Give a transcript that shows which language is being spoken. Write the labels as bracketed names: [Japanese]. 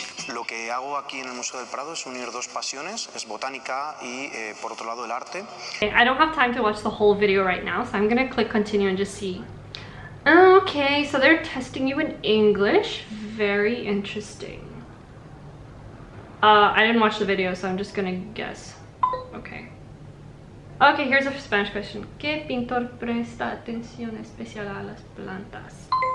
[Spanish] Lo que hago aquí en el Museo del Prado es unir dos pasiones, es botánica y por otro lado el arte. [English] Okay, I don't have time to watch the whole video right now, so I'm going to click continue and just see. Okay, so they're testing you in English. Very interesting. I didn't watch the video, so I'm just going to guess. Okay. Okay, here's a Spanish question. [Spanish] ¿Qué pintor presta atención especial a las plantas?